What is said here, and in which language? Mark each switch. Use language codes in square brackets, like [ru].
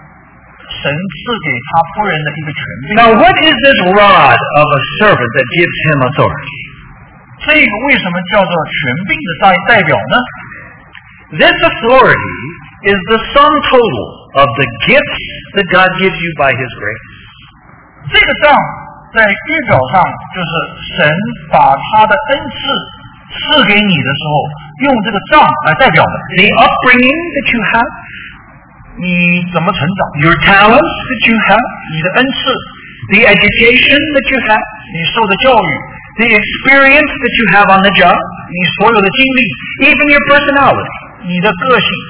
[zh] 这个杖是代表神赐给他仆人的一个权柄。 [en] Now, what is this rod of a servant that gives him authority? [zh] 这个为什么叫做权柄的代表呢? [en] This authority is the sum total of the gifts that God gives you by His grace. [zh] 这个杖在预表上就是神把他的恩赐赐给你的时候用这个杖来代表的。 [en] The upbringing that you have, [zh] 你怎么成长, [en] your talents that you have, [zh] 你的恩赐, [en] the education that you have, [zh] 你受的教育, [en] the experience that you have on the job, [zh] 你所有的经历, [en] even your personality, [zh] 你的个性。